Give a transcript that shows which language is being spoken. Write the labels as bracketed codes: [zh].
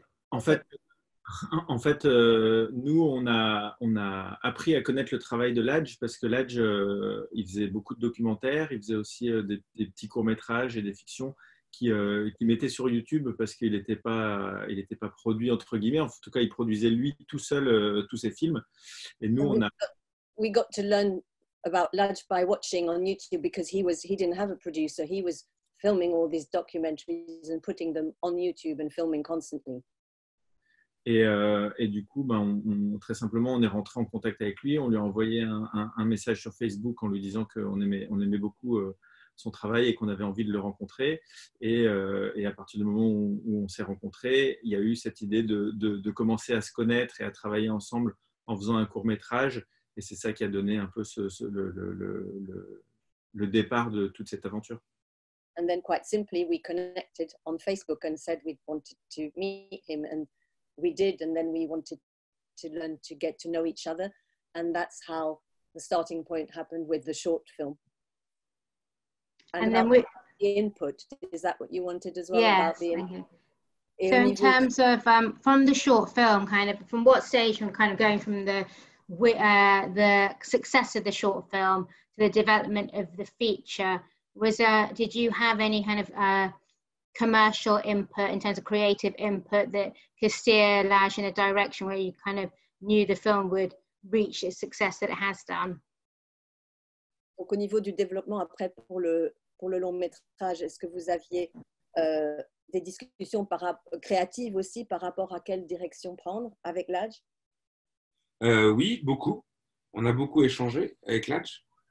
[fr] En fait, nous, on a appris à connaître le travail de Ladj parce que Ladj, il faisait beaucoup de documentaires, il faisait aussi des petits courts-métrages et des fictions qu'il mettait sur YouTube parce qu'il n'était pas produit entre guillemets. En tout cas, il produisait lui tout seul tous ses films. Et nous, [en] we got to learn about Ladj by watching on YouTube because he didn't have a producer. He was filming all these documentaries and putting them on YouTube and filming constantly. [fr] Et du coup, très simplement, on est rentré en contact avec lui. On lui a envoyé un message sur Facebook en lui disant qu'on aimait beaucoup son travail et qu'on avait envie de le rencontrer. Et à partir du moment où on s'est rencontrés, il y a eu cette idée de commencer à se connaître et à travailler ensemble en faisant un court-métrage. Et c'est ça qui a donné un peu le départ de toute cette aventure. [en] And then quite simply, we connected on Facebook and said we wanted to meet him, and we did, and then we wanted to learn to get to know each other, and that's how the starting point happened with the short film. And then we... The input, is that what you wanted as well? Yes. About the input? So in terms of, from the short film, kind of, from what stage, from kind of going from the success of the short film to the development of the feature, did you have any kind of commercial input in terms of creative input that could steer Ladj in a direction where you kind of knew the film would reach its success that it has done? [fr] Donc au niveau du développement après pour le long métrage, est-ce que vous aviez des discussions créatives aussi par rapport à quelle direction prendre avec Ladj? Oui, beaucoup. On a beaucoup échangé avec Ladj.